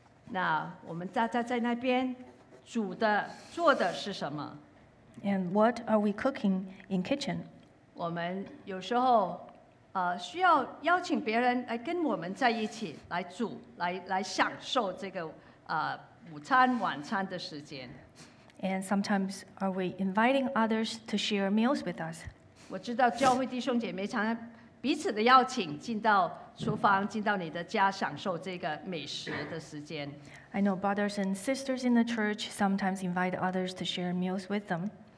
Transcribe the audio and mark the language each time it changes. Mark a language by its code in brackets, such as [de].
[zh] 那我们在那边煮的做的是什么？ [en] And what are we cooking in kitchen? [zh] 我们有时候需要邀请别人来跟我们在一起来煮，来享受这个午餐晚餐的时间。 [en] And sometimes are we inviting others to share meals with us? [zh] 我知道教会弟兄姐妹常常彼此的邀请进到厨房，进到你的家享受这个美食的时间。 [en] I know brothers and sisters in the church sometimes invite others to share meals with them.